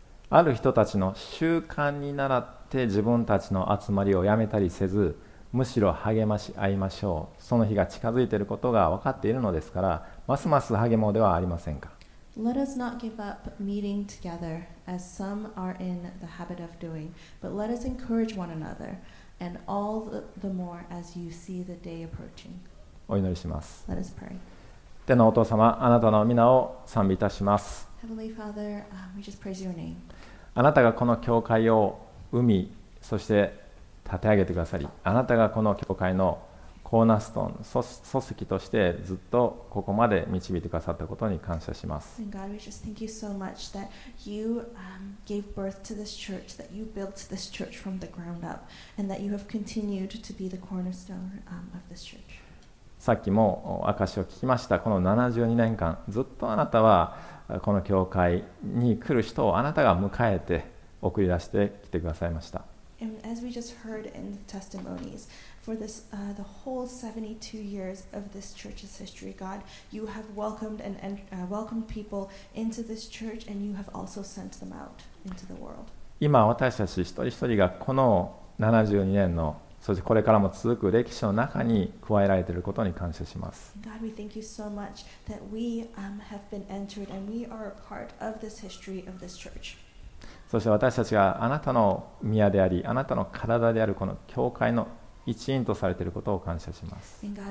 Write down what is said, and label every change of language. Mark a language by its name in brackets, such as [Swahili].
[Japanese] ある人たちの習慣に倣って自分たちの集まりをやめたりせず、むしろ励まし合いましょう。その日が近づいていることが分かっているのですから、ますます励もうではありませんか。 [English] Let us not give up meeting together, as some are in the habit of doing, but let us encourage one another. And all the more as you see the day approaching. [Japanese] お祈りします。 [English] Let us pray. [Japanese] 天のお父様、あなたの御名を賛美いたします。 [English] Heavenly Father, we just praise your name. [Japanese] あなたがこの教会を生み、そして立て上げてくださり、あなたがこの教会のコーナーストーン、礎石としてずっとここまで導いてくださったことに感謝します。 [English] And God, we just thank you so much that you gave birth to this church, that you built this church from the ground up, and that you have continued to be the cornerstone of this church. [Japanese] さっきも証を聞きました。この72年間、ずっとあなたはこの教会に来る人をあなたが迎えて送り出してきてくださいました。 [English] And as we just heard in the testimonies,For this, the whole 72 years of this church's history, God, you have welcomed and welcomed people into this church, and you have also sent them out into the world. [Japanese] 今私たち一人一人がこの72年のそしてこれからも続く歴史の中に加えられていることに感謝します。 [English] God, we thank you so much that we have been entered and we are a part of this history of this church. [Japanese] そして私たちがあなたの宮であり、あなたの体であるこの教会の一員とされていることを感謝します。